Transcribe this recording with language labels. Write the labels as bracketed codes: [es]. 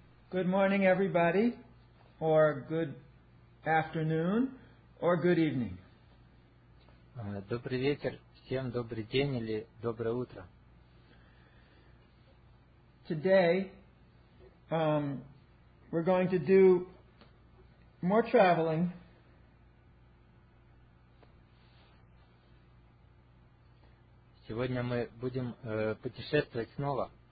[en] Good morning, everybody, or good afternoon, or good evening. [ru] Добрый вечер, всем добрый день или доброе утро. [en] Today, we're going to do more traveling. [ru] Сегодня мы будем путешествовать снова.